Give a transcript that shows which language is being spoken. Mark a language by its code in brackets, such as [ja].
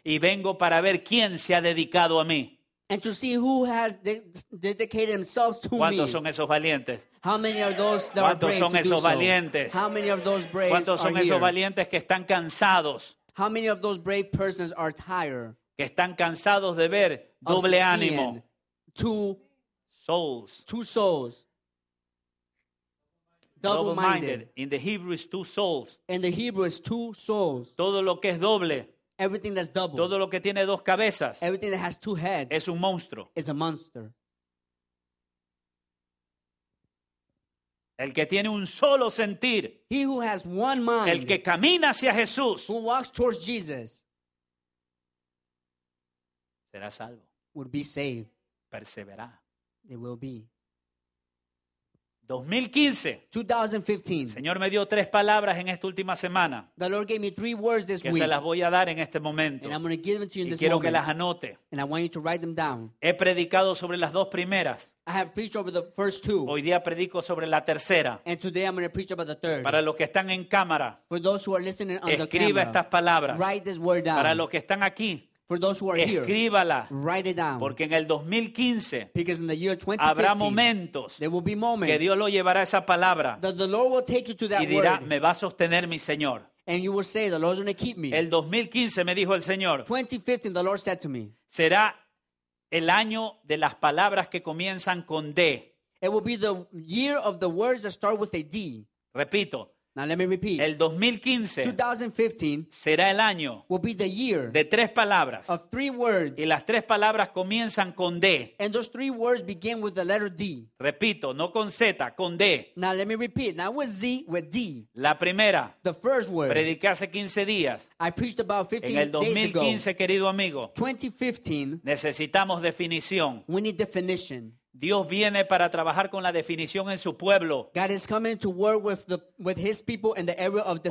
[es] Y vengo para ver quién se ha dedicado a mí. [en] And to see who has dedicated themselves to me. [es] ¿Cuántos son esos valientes? [en] How many are those that are brave? [es] ¿Cuántos son esos valientes? [en] How many of those brave? [es] ¿Cuántos son esos valientes que están cansados? [en] How many of those brave persons are tired? [es] Que están cansados de ver doble ánimo. [en] Two souls. Double-minded. In the Hebrew is two souls. In the Hebrew is two souls. [es] Todo lo que es doble. [en] Everything that's double. [es] Todo lo que tiene dos cabezas. [en] Everything that has two heads. [es] Es un monstruo. [en] Is a monster. [es] El que tiene un solo sentir. [en] He who has one mind. [es] El que camina hacia Jesús. [en] Who walks towards Jesus. [es] Será salvo. [en] Would be saved. [es] Perseverará. [en] They will be. [es] 2015. Señor me dio tres palabras en esta última semana. [en] The Lord gave me three words this week. [es] Que se las voy a dar en este momento. [en] And I'm going to give them to you in this [es] Y quiero que las anote. [en] And I want you to write them down. [es] He predicado sobre las dos primeras. [en] I have preached over the first two. [es] Hoy día predico sobre la tercera. [en] And today I'm going to preach about the third. [es] Para los que están en cámara. [en] For those who are listening on the camera. [es] Escriba estas palabras. [en] Write this word down. [es] Para los que están aquí. [en] For those who are here, [es] escríbala, [en] write it down. [es] Porque en el 2015, [en] because in the year 2015, [es] habrá momentos, [en] there will be moments [es] que Dios lo llevará esa palabra, [en] that the Lord will take you to that [es] y dirá, [en] word. [es] Me va a sostener mi Señor. [en] And you will say, the Lord is going to keep me. [es] El 2015, me dijo el Señor, [en] 2015, the Lord said to me, [es] será el año de las palabras que comienzan con D. [en] It will be the year of the words that start with a D. [es] Repito, [en] now let me repeat. [es] El 2015 será el año [en] will be the year [es] de tres palabras. [en] Of three words. [es] Y las tres palabras comienzan con D. [en] And those three words begin with the letter D. [es] Repito, no con Z, con D. [en] Now let me repeat. Not with Z, with D. [es] La primera. [en] The first word. [es] Prediqué hace 15 días. [en] I preached about 15 days ago. [es] En el 2015, querido amigo, [en] 2015, [es] necesitamos definición. [en] We need definition. [es] Dios viene para trabajar con la definición en su pueblo. [en] God is coming to work with his people in the area of definition.